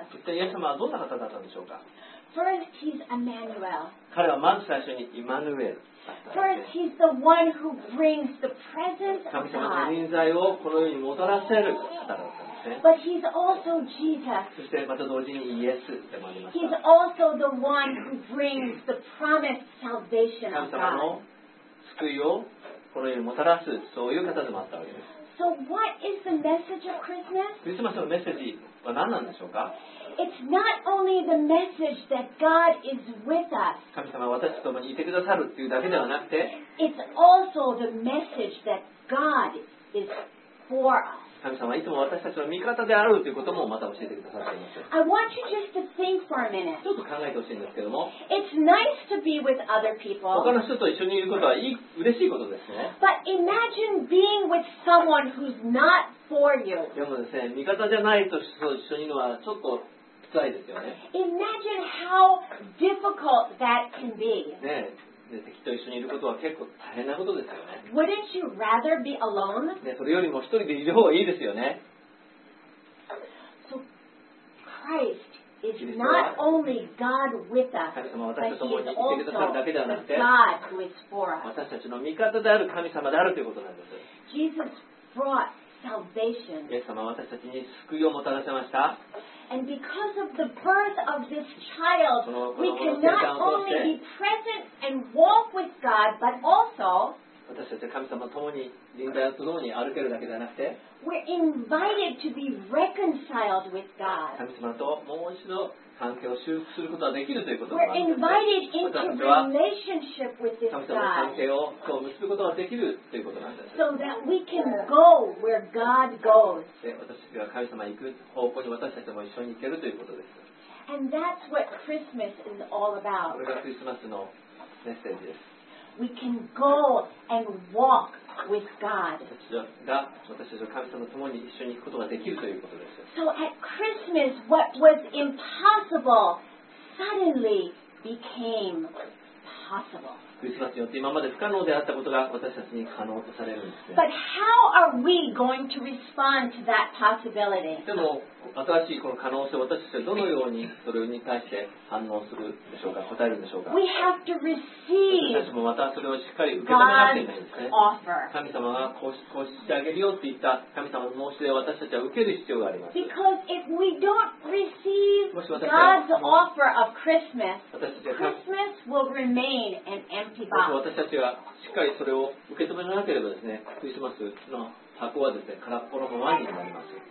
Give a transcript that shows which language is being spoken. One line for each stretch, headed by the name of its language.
Japanese: そしてイエス様はどんな方だったんでしょうか。
English: First, he's Emmanuel.
Japanese: 彼はまず最初にイマヌエル。
English: First, he's the one who brings the presence of God.
Japanese: 神様の臨在をこの世にもたらせる方だったんですね。
English: But he's also Jesus.
Japanese: そしてまた同時にイエスでもありました。
English: He's also the one who brings the promised salvation of God.
Japanese: 神様の救いをこの世にもたらすそういう方でもあったわけです。
English: So what is the message of Christmas?
Japanese: クリスマスのメッセージは何なんでしょうか?
English: It's not only the message that God is with us.
Japanese: 神様は私と共にいてくださるというだけではなくて、
English: It's also the message that God is for us.
Japanese: 神様はいつも私たちの味方であるということもまた教えてくださっています。
English: I want you just to think for a minute.
Japanese: ちょっと考えてほしいんですけども、
English: It's nice to be with other people.
Japanese: 他の人と一緒にいることはいい、嬉しいことですね。
English: But imagine being with someone who's not for you.
Japanese: でもですね、味方じゃないと一緒にいるのはちょっと辛いですよね。
English: Imagine how difficult that can be.
Japanese: ね、で、敵と一緒にいることは結構大変なことですよね。
English: Wouldn't you rather be alone?
Japanese: ね、それよりも一人でいる方がいいですよね。
English: Christ is not only God with us, but he's also the God who is for us.
Japanese: 私たちの味方である神様であるということなんです。
English: Jesus brought salvation.
Japanese: イエス様は私たちに救いをもたらせました。
English: And because of the birth of this child, we can not only be present and walk with God, but also
Japanese: 私たちは神様と共に臨在と共に歩けるだけではなくて、
English: We're invited to be reconciled with God.
Japanese: 神様ともう一度関係を修復することができるということなんですね。
English: We're invited into relationship with this God.
Japanese: 神様と関係を今日結ぶことができるということなんです。
English: So that we can go where God goes.
Japanese: 私たちが神様に行く方向に私たちも一緒に行けるということです。
English: And that's what Christmas is all about.
Japanese: これがクリスマスのメッセージです。
English: We can go and walk with God.
Japanese: 私たちが神様と共に一緒に行くことができるということです。
English: So at Christmas, what was impossible suddenly became possible.
Japanese: クリスマスによって今まで不可能であったことが私たちに可能とされるんですね。
English: But how are we going to respond to that possibility?
Japanese: でも新しいこの可能性を私たちはどのようにそれに対して反応するでしょうか、答えるでしょうか。
English: We have to receive
Japanese: 私たちもまたそれをしっかり受け止めなくてはいけないんですね。神様がこうしてあげるよって言った神様の申し出を私たちは受ける必要があります。
English: Because if we don't receive God's offer of Christmas, Christmas will remain an empty
Japanese: もし私たちがしっかりそれを受け止めなければですね、クリスマスの箱はですね、空っぽのままになります。